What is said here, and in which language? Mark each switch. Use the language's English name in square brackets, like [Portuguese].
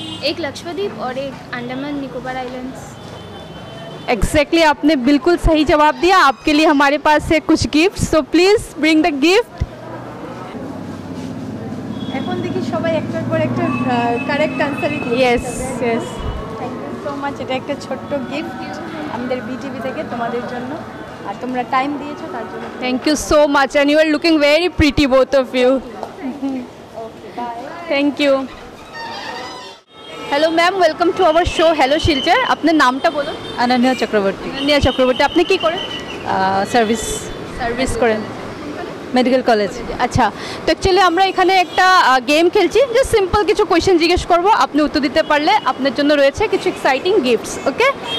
[Hindi] एक लक्षद्वीप और एक अंडमान निकोबार आइलैंड्स. एग्जैक्टली आपने बिल्कुल सही जवाब दिया. आपके लिए हमारे पास है कुछ gift, [English] So please bring the gift. [Bangla] এখন দেখি সবাই একটার পর একটা কারেক্ট আনসার দিচ্ছে. [English] Yes, yes. Thank you so much. [Bangla] এটা একটা ছোট্ট গিফট আমাদের বিটিভি থেকে তোমাদের জন্য, আর তোমরা টাইম দিয়েছো তার জন্য. [English] Thank you so much and you are looking very pretty both of you. Okay, bye. Thank you. Hello ma'am, welcome to our show hello Silchar. [Bangla] আপনার নামটা বলো? অনন্যা চক্রবর্তী. অনন্যা চক্রবর্তী. আপনি কি করেন? সার্ভিস. সার্ভিস করেন? Medical college. আচ্ছা, তো অ্যাকচুয়ালি আমরা এখানে একটা গেম খেলছি, যে সিম্পল কিছু কোয়েশ্চেন জিজ্ঞেস করবো, আপনি উত্তর দিতে পারলে আপনার জন্য রয়েছে কিছু এক্সাইটিং গিফটস. ওকে.